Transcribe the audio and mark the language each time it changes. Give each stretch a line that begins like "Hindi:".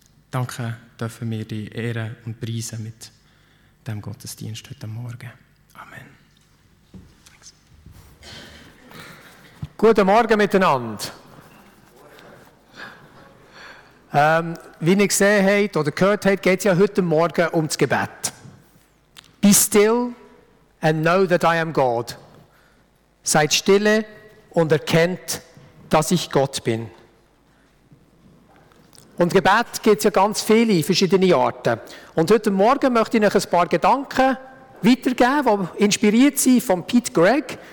German: Danke, dürfen wir dich ehren und preisen mit dem Gottesdienst heute Morgen. Amen. Guten Morgen miteinander. Wie ihr gesehen habt oder gehört habt, geht es ja heute Morgen um das Gebet.
English: Be still and know that I am God.
German: Seid stille und erkennt, dass ich Gott bin. Und Gebet gibt es ja ganz viele verschiedene Arten. Und heute Morgen möchte ich euch ein paar Gedanken weitergeben, die inspiriert sind von Pete Gregg.